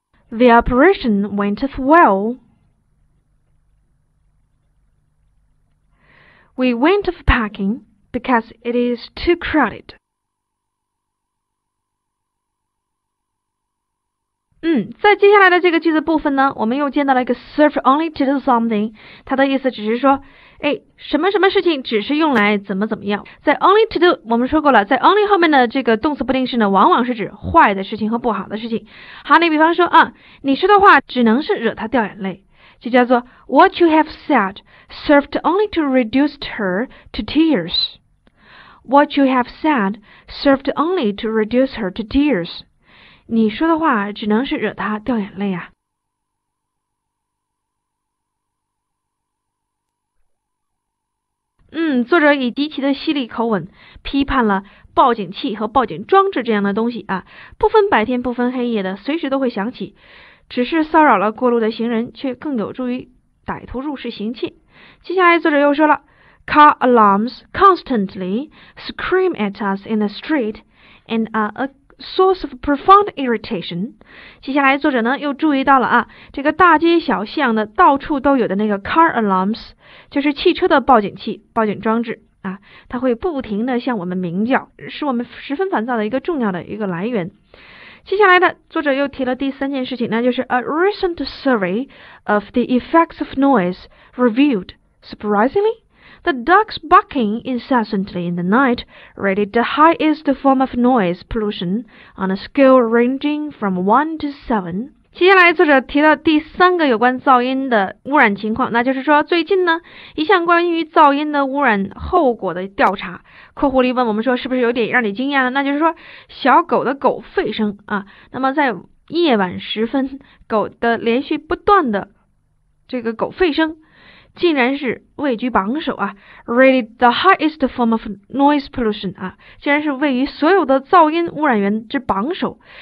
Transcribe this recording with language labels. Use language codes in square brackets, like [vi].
[en] The operation went off well. We went off parking because it is too crowded. [zh] 在接下来的这个句子部分呢，我们又见到了一个 serve only to do something，它的意思只是说，哎，什么什么事情只是用来怎么怎么样。在 only to do， 我们说过了，在 only 后面的这个动词不定式呢，往往是指坏的事情和不好的事情。好，你比方说啊，你说的话只能是惹他掉眼泪，就叫做 What you have said served only to reduce her to tears. [en] What you have said served only to reduce her to tears. [zh] 你说的话只能是惹他掉眼泪啊。作者以极其的犀利口吻批判了报警器和报警装置这样的东西啊，不分白天不分黑夜的，随时都会响起，只是骚扰了过路的行人，却更有助于歹徒入室行窃。接下来作者又说了， [en] Car alarms constantly scream at us in the street and are aSource of profound irritation. [zh] 接下来作者呢又注意到了啊，这个大街小巷的到处都有的那个 car alarms， 就是汽车的报警器、报警装置啊，它会不停地向我们鸣叫，使我们十分烦躁的一个重要的一个来源。接下来的作者又提了第三件事情呢，就是 a recent survey of the effects of noise revealed surprisingly. [en] The dogs barking incessantly in the night rated the highest form of noise pollution on a scale ranging from 1 to 7. [zh] 接下来作者提到第三个有关噪音的污染情况，那就是说最近呢一项关于噪音的污染后果的调查，括弧里问我们说是不是有点让你惊讶呢，那就是说小狗的狗吠声啊，那么在夜晚时分，狗的连续不断的这个狗吠声竟然是位居榜首啊， rated the highest form of noise pollution 啊，竟然是位于所有的噪音污染源之榜首。